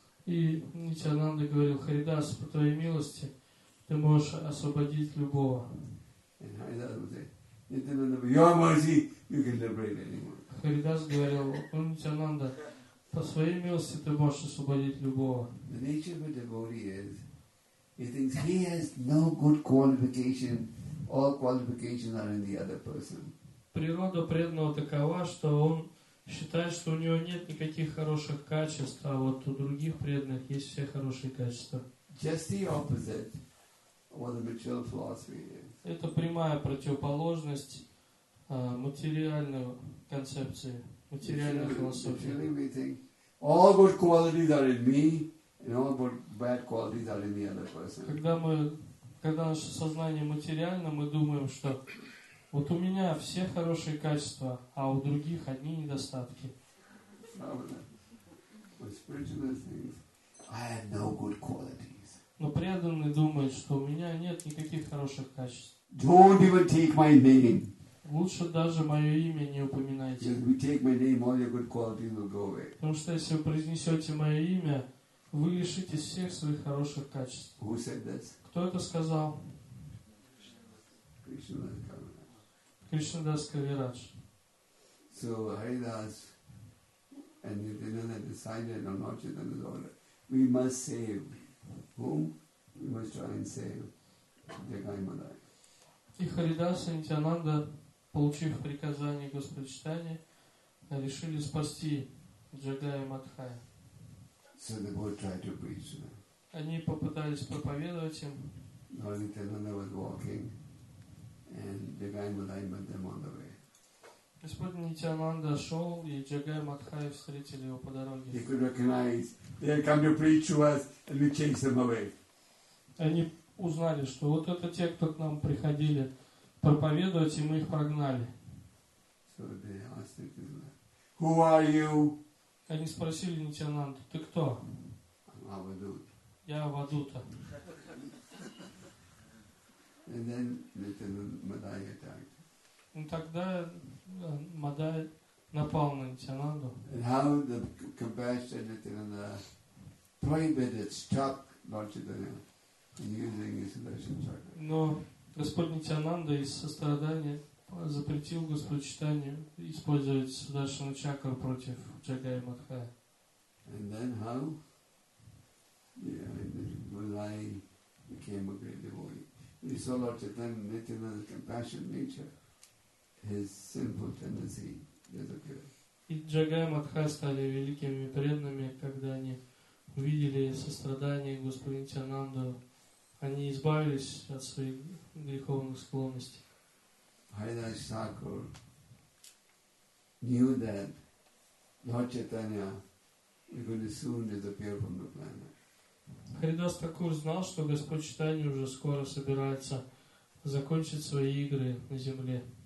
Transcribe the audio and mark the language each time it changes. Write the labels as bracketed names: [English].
[Russian] И Нитянанда говорил, Харидас, по твоей милости, ты можешь освободить любого. [English] And Харидас would say, Нитянанда, with your mercy, you can liberate anyone. [Russian] Харидас говорил, Нитянанда, по своей милости ты можешь освободить любого. [English] The nature of a devotee is, he thinks he has no good qualification, all qualifications are in the other person. [Russian] Природа преданного такова, что он считает, что у него нет никаких хороших качеств, а вот у других преданных есть все хорошие качества. [English] Just the opposite of what the material philosophy is. [Russian] Это прямая противоположность материальной концепции, материальной философии. [English] All good qualities are in me, and all good bad qualities are in the other person. [Russian] Когда наше сознание материально, мы думаем, что вот у меня все хорошие качества, а у других одни недостатки. Но преданный думает, что у меня нет никаких хороших качеств. [English] Don't even take my name. [Russian] Лучше даже мое имя не упоминайте. [English] If you take my name, all your good qualities will go away. [Russian] Потому что если вы произнесете мое имя, вы лишитесь всех своих хороших качеств. [English] Who said this? [Russian] Кто это сказал? Кришна. Кришнадас Кавирадж. [English] So Haridas and Nityananda decided on Lord Chaitanya's order. We must save whom? We must try and save Jagai Madai. [Russian] И Харидас и Нитянанда, получив приказание Господа Чайтаньи, решили спасти Джагая Мадхая. [English] So they both tried to preach to them. [Russian] Они попытались проповедовать им. [English] Lord Nityananda was walking. And Jagai Madhai met them on the way. [Russian] Господь Нитянанда шел, и Джагай Мадхай встретили его по дороге. [English] He could recognize, they had come to preach to us, and we chased them away. [Russian] Они узнали, что вот это те, кто к нам приходили проповедовать, и мы их прогнали. [English] So they asked him, who are you? [Russian] Они спросили Нитянанду, ты кто? [English] I'm Avadhuta. [Russian] Я Авадута. [English] And then Nityananda Madhai attacked. [Russian] And тогда Мадай напал на Нитянанду. [English] And how the compassionate Nityananda prohibited, stopped Lord Chaitanya from using his Sudarshan Chakra. [Russian] Но Господь Нитянанда из сострадания запретил Господу Чайтанье использовать Сударшану Чакру против Джагая Мадхая. [English] And then how? Yeah, and Madhai became a great devotee. He saw Lord Chaitanya, Nityananda's compassionate nature, his sinful tendency disappeared. [Russian] И Джагай Мадхай стали великими преданными, когда они увидели сострадание Господа Нитянанды. Они избавились от своих греховных склонностей. [English] Haridas Thakur knew that Lord Chaitanya was going to soon disappear from the planet. [Russian] Харидас Такур знал, что Господь Чайтанья уже скоро собирается закончить свои игры на земле.